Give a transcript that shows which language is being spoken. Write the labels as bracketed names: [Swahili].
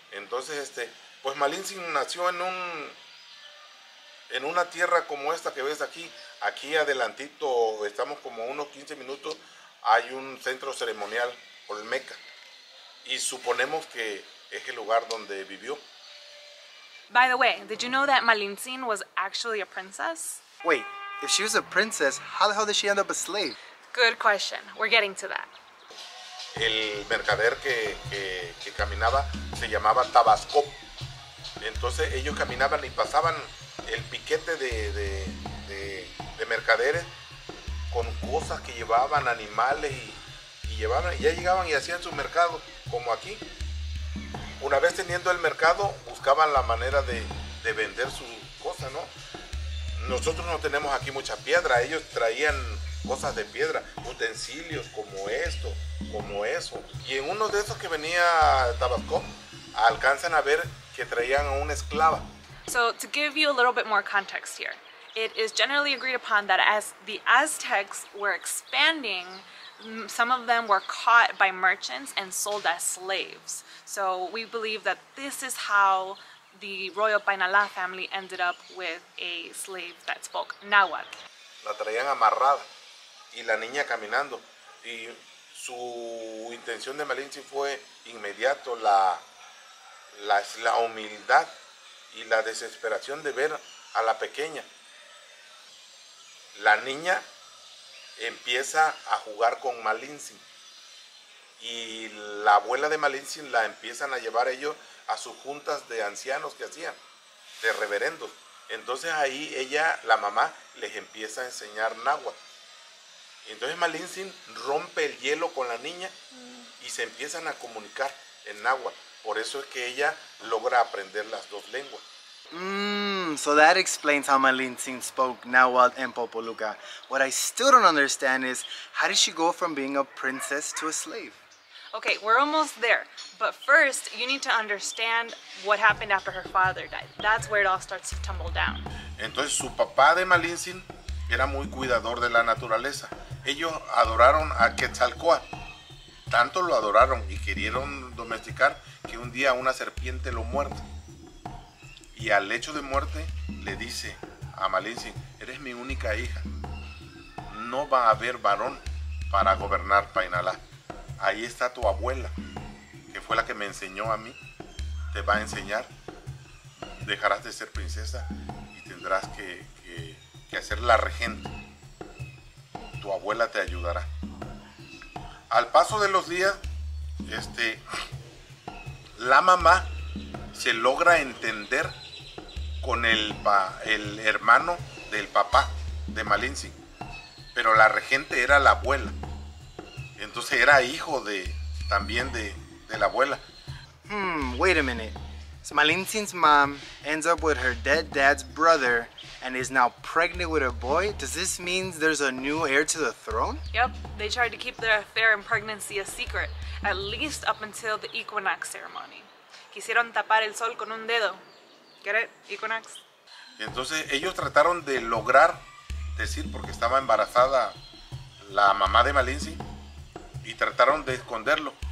[Spanish] Entonces, pues Malintzin nació en una tierra como esta que ves aquí. Aquí adelantito, estamos como unos 15 minutos, hay un centro ceremonial olmeca. Y suponemos que es el lugar donde vivió. [English] By the way, did you know that Malintzin was actually a princess? Wait, if she was a princess, how the hell did she end up a slave? Good question. We're getting to that. [Spanish] El mercader que caminaba se llamaba Tabasco. Entonces ellos caminaban y pasaban el piquete de mercaderes con cosas que llevaban, animales y llevaban, ya llegaban y hacían su mercado, como aquí. Una vez teniendo el mercado, buscaban la manera de vender su cosa, ¿no? Nosotros no tenemos aquí mucha piedra, ellos traían cosas de piedra, utensilios como esto, como eso. Y en uno de esos que venía Tabasco, alcanzan a ver que traían a una esclava. [English] So, to give you a little bit more context here, it is generally agreed upon that as the Aztecs were expanding, some of them were caught by merchants and sold as slaves. So, we believe that this is how the royal Painalá family ended up with a slave that spoke Nahuatl. [Spanish] La traían amarrada y la niña caminando. Y su intención de Malintzin fue inmediato la humildad y la desesperación de ver a la pequeña. La niña empieza a jugar con Malintzin y la abuela de Malintzin la empiezan a llevar ellos a sus juntas de ancianos que hacían, de reverendos. Entonces ahí ella, la mamá, les empieza a enseñar náhuatl. Entonces Malintzin rompe el hielo con la niña y se empiezan a comunicar en náhuatl. Por eso es que ella logra aprender las dos lenguas. [English] So that explains how Malintzin spoke náhuatl and popoluca. What I still don't understand is, how did she go from being a princess to a slave? Okay, we're almost there, but first you need to understand what happened after her father died. That's where it all starts to tumble down. [Spanish] Entonces su papá de Malintzin era muy cuidador de la naturaleza. Ellos adoraron a Quetzalcóatl. Tanto lo adoraron y querieron domesticar que un día una serpiente lo muerde. Y al lecho de muerte le dice a Malintzin, eres mi única hija. No va a haber varón para gobernar Painalá. Ahí está tu abuela, que fue la que me enseñó a mí. Te va a enseñar. Dejarás de ser princesa y tendrás que hacer la regente. Tu abuela te ayudará. Al paso de los días, la mamá se logra entender con el hermano del papá de Malintzin. Pero la regente era la abuela. Entonces era hijo también de la abuela. [English] Wait a minute. So Malintzin's mom ends up with her dead dad's brother and is now pregnant with a boy? Does this mean there's a new heir to the throne? Yep, they tried to keep their affair and pregnancy a secret, at least up until the equinox ceremony. [Spanish] Quisieron tapar el sol con un dedo. [English] Get it? Equinox? [Spanish] Entonces ellos trataron de lograr decir, porque estaba embarazada la mamá de Malintzin, y trataron de esconderlo.